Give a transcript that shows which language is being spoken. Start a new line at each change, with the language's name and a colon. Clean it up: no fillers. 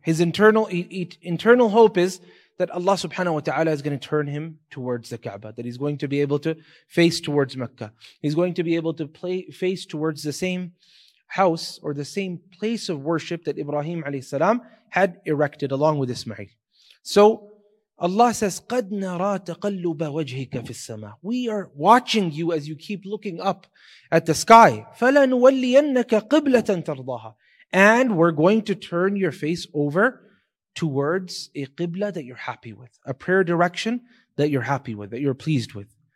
English: His internal hope is that Allah subhanahu wa ta'ala is going to turn him towards the Kaaba, that he's going to be able to face towards Mecca. He's going to be able to face towards the same house or the same place of worship that Ibrahim alayhi salam had erected along with Ismail. So Allah says,
Arabic: قَدْ نَرَى تَقَلُّبَ وَجْهِكَ فِي السَّمَاءِ.
English: We are watching you as you keep looking up at the sky.
Arabic: فَلَنُوَلِّيَنَّكَ قِبْلَةً تَرْضَاهَا.
English: And we're going to turn your face over towards a qibla that you're happy with, a prayer direction that you're happy with, that you're pleased with.